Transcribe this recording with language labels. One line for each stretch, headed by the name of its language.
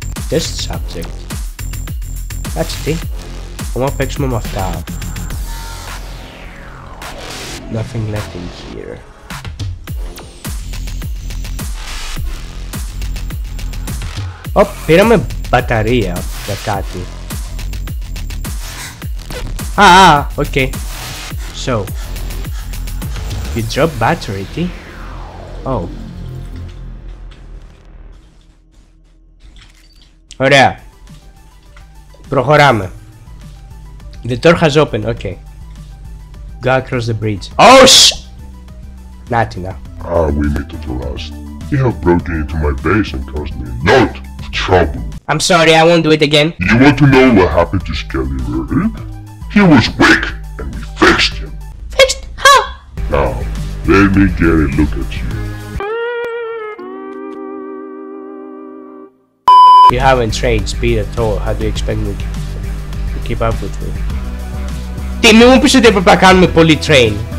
Greek: Test subject. Κάτσε τι. Ακόμα παίξουμε με αυτά.
English: Nothing left in here.
Greek: Οπ, πήραμε μπαταρία για κάτι.
English: Okay. So, you drop battery, τι? Oh.
Greek: Ωραία. Προχωράμε.
English: The door has opened, okay. Go across the bridge.
Greek: Νάτι, να.
English: We meet at last. You have broken into my base and caused me a lot of trouble. I'm sorry, I won't do it again. You want to know what happened to Skelly, really? He was weak, and we fixed him. Fixed? How? Now, let me get a look at you. You haven't trained speed at all. How do you expect me to keep up with you?
Greek: Τι, μη μου πεις ότι έπρεπε να κάνουμε πολύ train.